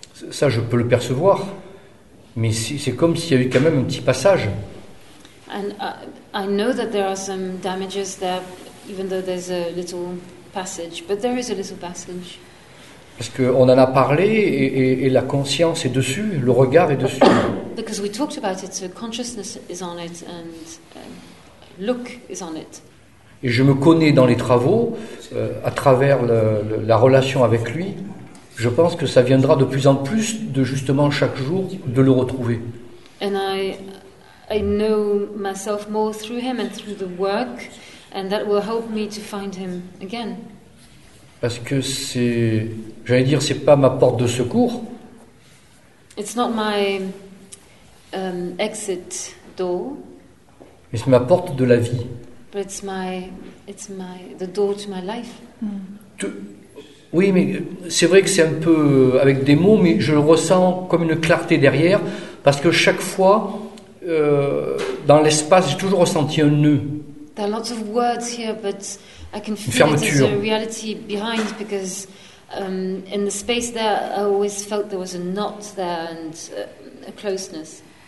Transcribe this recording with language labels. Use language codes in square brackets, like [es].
[fr] Ça, je peux le percevoir. Mais c'est comme s'il y avait quand même un petit passage. [en] And I know that there are some damages there, even though there's a little passage. But there is a little passage. [fr] Parce qu'on en a parlé et la conscience est dessus, le regard est dessus. [en] Because we talked about it, so consciousness is on it and look is on it. [fr] Et je me connais dans les travaux, à travers la relation avec lui. Je pense que ça viendra de plus en plus de justement chaque jour de le retrouver. [en] And I know myself more through him and through the work, and that will help me to find him again. [fr] Parce que c'est, j'allais dire, c'est pas ma porte de secours. [en] It's not my exit door. [fr] Mais c'est ma porte de la vie. [en] But it's my the door to my life. [fr] Oui, mais c'est vrai que c'est un peu avec des mots, mais je le ressens comme une clarté derrière, parce que chaque fois dans l'espace, j'ai toujours ressenti un nœud. [en] There are lots of words here, but I can feel [fr] fermeture. [en] It as a reality behind, because in the space there, I always felt there was a knot there and a closeness.